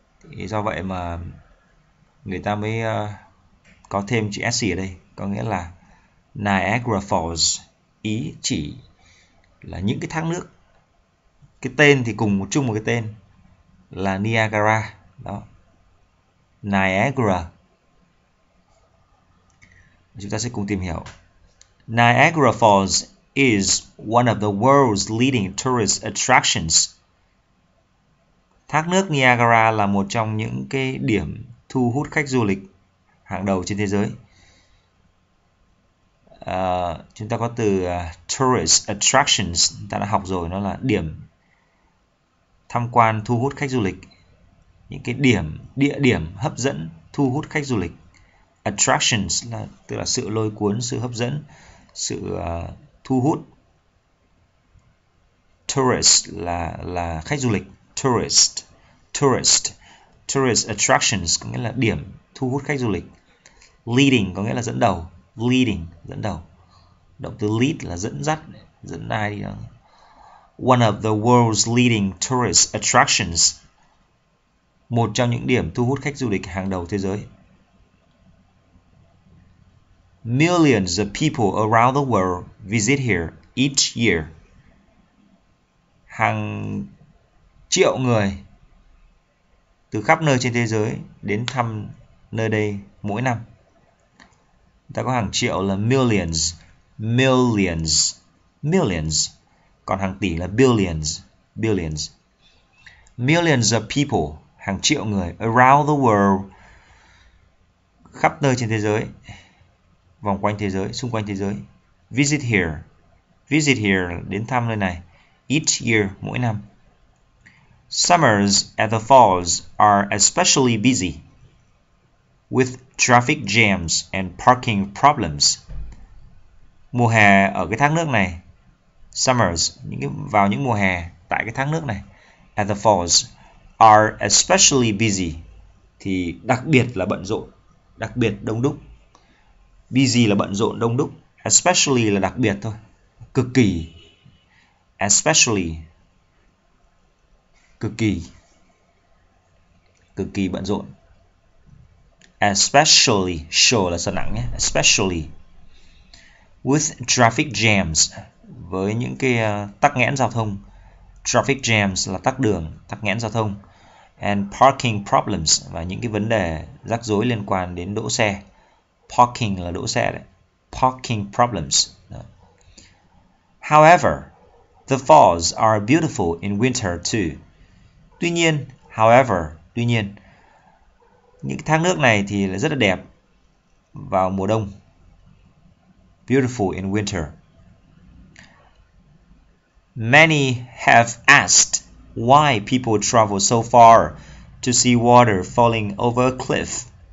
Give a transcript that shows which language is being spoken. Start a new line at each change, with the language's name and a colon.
Vietnamese: Thì do vậy mà người ta mới có thêm chữ SC ở đây, có nghĩa là Niagara Falls, ý chỉ là những cái thác nước. Cái tên thì cùng một chung một cái tên là Niagara đó. Niagara. Chúng ta sẽ cùng tìm hiểu.
English: Niagara Falls is one of the world's leading tourist attractions.
Vietnamese: Thác nước Niagara là một trong những cái điểm thu hút khách du lịch hàng đầu trên thế giới. Chúng ta có từ
English: tourist attractions,
Vietnamese: ta đã học rồi, nó là điểm tham quan thu hút khách du lịch. Những cái điểm, địa điểm hấp dẫn thu hút khách du lịch. Attractions là tức là sự lôi cuốn, sự hấp dẫn, sự thu hút. Tourist là khách du lịch.
English: Tourist, tourist, tourist attractions
Vietnamese: có nghĩa là điểm thu hút khách du lịch. Leading có nghĩa là dẫn đầu. Leading, dẫn đầu. Động từ lead là dẫn dắt, dẫn ai đi đó.
English: One of the world's leading tourist attractions.
Vietnamese: Một trong những điểm thu hút khách du lịch hàng đầu thế giới.
English: Millions of people around the world visit here each year.
Vietnamese: Hàng triệu người từ khắp nơi trên thế giới đến thăm nơi đây mỗi năm. Ta có hàng triệu là millions, millions, millions. Còn hàng tỷ là billions, billions.
English: Millions of people,
Vietnamese: hàng triệu người,
English: around the world,
Vietnamese: khắp nơi trên thế giới, vòng quanh thế giới, xung quanh thế giới.
English: Visit here, visit here,
Vietnamese: đến thăm nơi này,
English: each year,
Vietnamese: mỗi năm.
English: Summers at the falls are especially busy, with traffic jams and parking problems.
Vietnamese: Mùa hè ở cái thác nước này, summers, vào những mùa hè tại cái thác nước này,
English: at the falls, are especially busy,
Vietnamese: thì đặc biệt là bận rộn, đặc biệt đông đúc. Busy là bận rộn, đông đúc. Especially là đặc biệt thôi, cực kỳ. Especially, cực kỳ, cực kỳ bận rộn. Especially, show là sợ nặng nhé. Especially,
English: with traffic jams,
Vietnamese: với những cái tắc nghẽn giao thông.
English: Traffic jams
Vietnamese: là tắc đường, tắc nghẽn giao thông.
English: And parking problems,
Vietnamese: và những cái vấn đề rắc rối liên quan đến đỗ xe. Parking là đỗ xe đấy.
English: Parking problems. However, the falls are beautiful in winter too.
Vietnamese: Tuy nhiên, however, tuy nhiên, những cái thác nước này thì là rất là đẹp vào mùa đông.
English: Beautiful in winter. Many have asked why people travel so far to see water falling over a cliff.